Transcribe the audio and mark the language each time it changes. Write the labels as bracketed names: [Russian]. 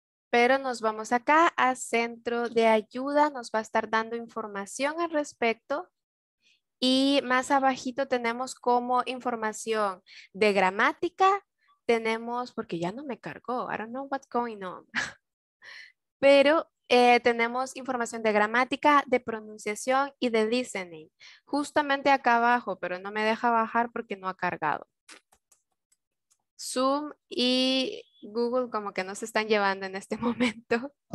[Spanish] Pero nos vamos acá a centro de ayuda, nos va a estar dando información al respecto Y más abajito tenemos como información de gramática. Tenemos, porque ya no me cargó, [English] I don't know what's going on. [Spanish] Pero tenemos información de gramática, de pronunciación y de listening. Justamente acá abajo, pero no me deja bajar porque no ha cargado. Zoom y Google como que no se están llevando en este momento.